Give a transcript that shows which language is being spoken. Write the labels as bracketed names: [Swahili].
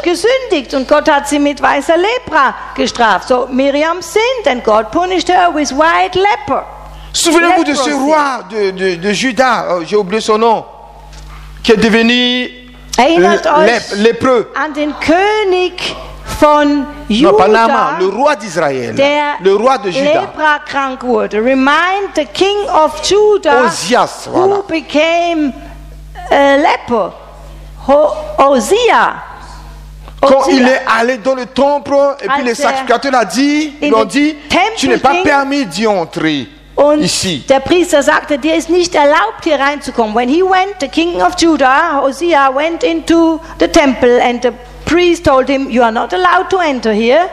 [German] Gesündigt und Gott hat sie mit weißer Lepra gestraft. [English] So Myriam sinned and God punished her with white leper. [French] Souvenez-vous de ce roi de Juda, j'ai oublié son nom, qui est devenu lépreux. [German] An den König von Juda, [French] non, pas Naaman, le roi d'Israël, le roi de Juda. [English] Remind the king of Judah, Ozias, who [French] voilà. [English] Became a leper, Ozias. [French] Quand Ozias. Il est allé dans le temple et puis les sacrificateurs l'ont dit, tu n'es pas permis d'y entrer. [German] Und [French] ici. [German] Der Priester sagte, dir ist nicht erlaubt hier reinzukommen. [English] When he went, the king of Judah, Ozias, went into the temple and the priest told him, you are not allowed to enter here.